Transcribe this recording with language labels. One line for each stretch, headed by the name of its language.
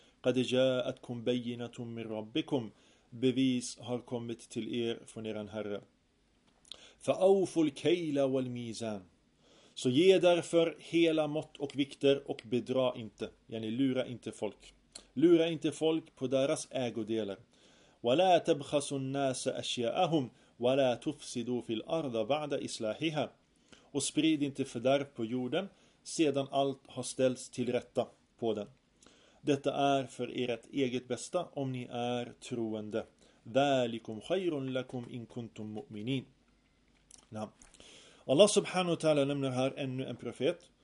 Arabic: قد جاءتكم بينة من ربكم بفيس
Swedish: har kommit till er från eran herre.
Arabic: فأوفوا الكيل والميزان.
Swedish: Så ge därför hela mått och vikter och bedra inte. Yani lura inte folk. Lura inte folk på deras ägodelar.
Arabic: ولا تبخسوا الناس أشياءهم ولا تفسدوا في الأرض بعد إصلاحها.
Swedish: Och sprid inte fördärv på jorden sedan allt har ställts till rätta på den. Detta är för ert eget bästa om ni är troende.
Arabic: ذَلِكُمْ خَيْرٌ لَكُمْ إِن كُنْتُمْ مُؤْمِنِينَ.
Swedish: Allah subhanahu wa ta'ala nämner här ännu en profet.